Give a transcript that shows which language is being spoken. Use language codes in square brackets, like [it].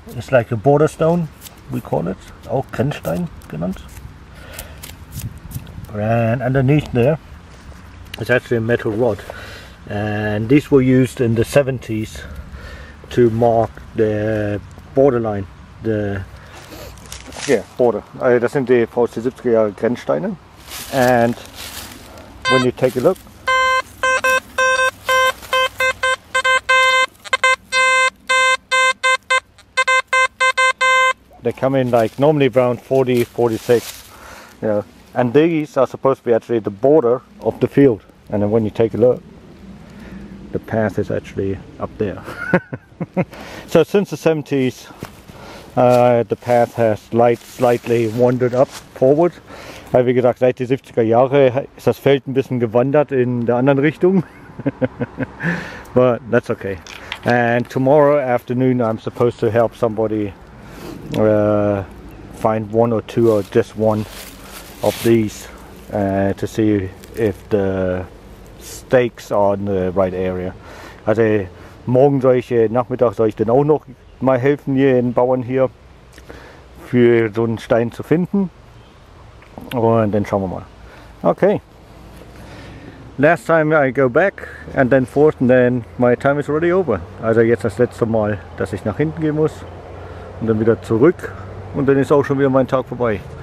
[en] It's like a border stone, we call it. [de] Auch Grenzstein genannt. [en] And underneath there is actually a metal rod. And these were used in the 70s to mark the borderline. Border. [de] Also das sind die aus den 70er Jahren Grenzsteine. [en] And when you take a look. They come in like normally around 40, 46, you know. And these are supposed to be actually the border of the field. And then when you take a look, the path is actually up there. So since the 70s, the path has slightly wandered up forward. [de] Weil wie gesagt, seit die 70er Jahre ist das Feld ein bisschen gewandert in der anderen Richtung. [en] But that's okay. And tomorrow afternoon I'm supposed to help somebody find one or two or just one of these to see if the stakes are in the right area. [de] Also morgen soll ich, Nachmittag soll ich dann auch noch mal helfen hier den Bauern hier für so einen Stein zu finden. Und dann schauen wir mal. Okay. [en] Last time I go back and then forth and then my time is already over. [de] Also jetzt das letzte Mal, dass ich nach hinten gehen muss und dann wieder zurück und dann ist auch schon wieder mein Tag vorbei.